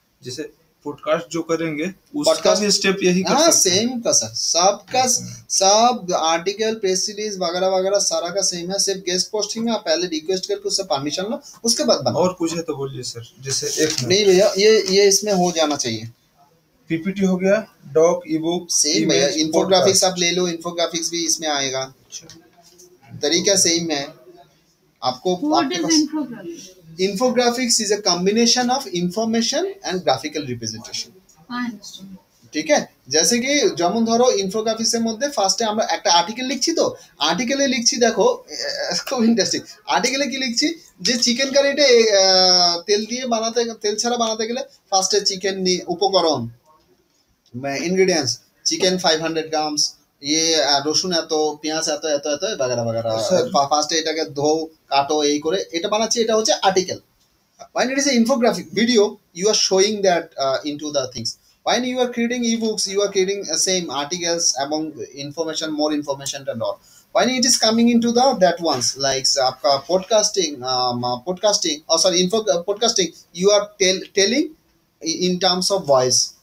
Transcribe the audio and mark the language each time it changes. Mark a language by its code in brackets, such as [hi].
[hi] जैसे पॉडकास्ट जो करेंगे उसका भी स्टेप यही कर सेम का सर सबका सब आर्टिकल प्रेस रिलीज वगैरह वगैरह सारा का सेम है सिर्फ गेस्ट पोस्टिंग में आप पहले रिक्वेस्ट करके उससे परमिशन लो उसके बाद बनाओ और कुछ है तो बोलिए सर जैसे एक नहीं भैया ये इसमें हो जाना चाहिए पीपीटी हो गया डॉक ईबुक सेम है इंफोग्राफिक्स आप ले लो इंफोग्राफिक्स भी इसमें आएगा तरीका सेम है आपको [en] infographics is a combination of information and graphical representation [hi] ठीक है जैसे कि जमन [bn] ধরো ইনফোগ্রাফিক্স এর মধ্যে ফারস্টে আমরা একটা আর্টিকেল লিখছি তো আর্টিকেলে লিখছি দেখো খুব ইন্টারেস্টিং আর্টিকেলে কি লিখছি যে চিকেন কারিটা তেল দিয়ে বানাতে তেল ছাড়া বানাতে গেলে ফারস্টে চিকেন উপকরণ ইনগ্রেডিয়েন্টস চিকেন 500 গ্রামস ये রসুন এত পেঁয়াজ এত এত এত বাগরা বাগরা ফারস্টে এটাকে ধো কাটো এই করে এটা বানাচ্ছি এটা হচ্ছে article [en] When it is a infographic video you are showing that into the things When you are creating e-books, you are creating the same articles among information, more information and all. When it is coming into the that ones, like podcasting, you are telling in terms of voice.